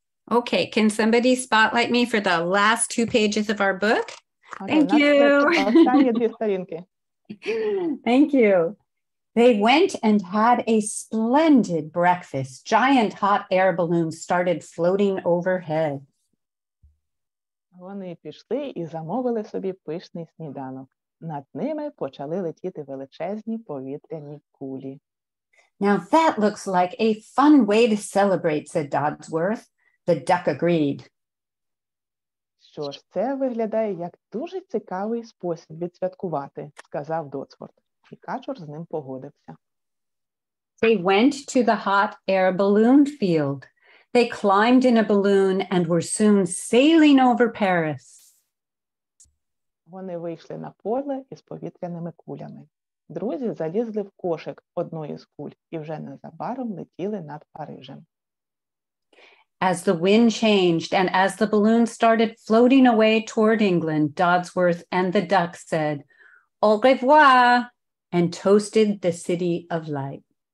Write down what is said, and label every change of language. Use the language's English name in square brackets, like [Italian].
[English] Okay, can somebody spotlight me for the last two pages of our book? Okay, thank you. [Ukrainian] Останні дві сторінки. [English] Thank you. They went and had a splendid breakfast. Giant hot air balloons started floating overhead. [Ukrainian] Вони пішли і замовили собі пишний сніданок. Над ними почали летіти величезні повітряні кулі. [English] Now that looks like a fun way to celebrate, said Dodsworth. The duck agreed. [Ukrainian] Що ж, це виглядає як дуже цікавий спосіб відсвяткувати, сказав Дотсворт. І качур з ним погодився. [English] They went to the hot air balloon field. They climbed in a balloon and were soon sailing over Paris. [Ukrainian] Вони вийшли на поле із повітряними кулями. Друзі залізли в кошик одної з куль і вже незабаром летіли над Парижем. [English] As the wind changed and as the balloon started floating away toward England, Dodsworth and the duck said, au revoir, and toasted the city of light.